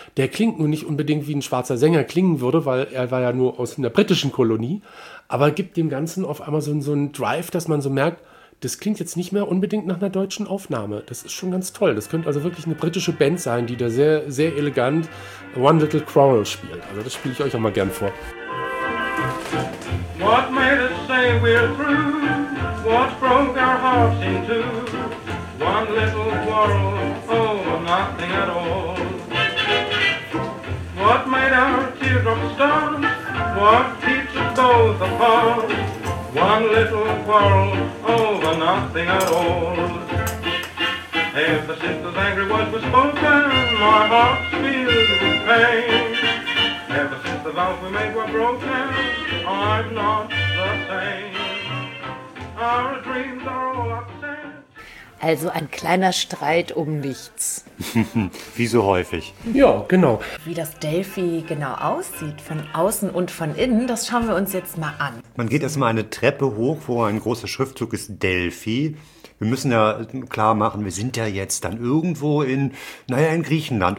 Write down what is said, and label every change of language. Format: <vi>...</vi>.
<de>Der klingt nun nicht unbedingt wie ein schwarzer Sänger klingen würde, weil er war ja nur aus einer britischen Kolonie. Aber gibt dem Ganzen auf einmal so einen Drive, dass man so merkt, das klingt jetzt nicht mehr unbedingt nach einer deutschen Aufnahme. Das ist schon ganz toll. Das könnte also wirklich eine britische Band sein, die da sehr, sehr elegant One Little Quarrel spielt. Also das spiele ich euch auch mal gern vor.</de> <en>What made us say we're through? What broke our hearts in two? One little quarrel, oh, nothing at all. What made our teardrops start? What keeps us both apart? One little quarrel over nothing at all. Ever since those angry words were spoken, my heart's filled with pain. Ever since the vows we made were broken, I'm not the same. Oh. Our dreams are all upset.</en> <de>Also ein kleiner Streit um nichts. Wie so häufig. Ja, genau. Wie das Delphi genau aussieht, von außen und von innen, das schauen wir uns jetzt mal an. Man geht erstmal eine Treppe hoch, wo ein großer Schriftzug ist, Delphi. Wir müssen ja klar machen, wir sind ja jetzt dann irgendwo in, naja, in Griechenland.</de>